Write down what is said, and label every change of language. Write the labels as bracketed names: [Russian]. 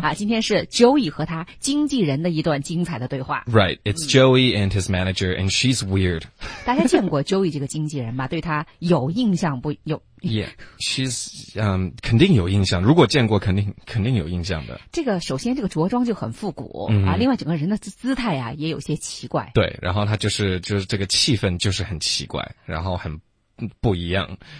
[Chinese] 啊，今天是 Joey 和他经纪人的一段精彩的对话。 [English] Right, it's Joey and his manager and she's weird. [Chinese] 大家见过 Joey 这个经纪人吧，对他有印象不？有 [English] Yeah, she's, [Chinese] 肯定有印象。如果见过肯定有印象的。这个首先这个着装就很复古、嗯、啊，另外整个人的姿态啊也有些奇怪。对，然后他就是这个气氛就是很奇怪，然后很不一样。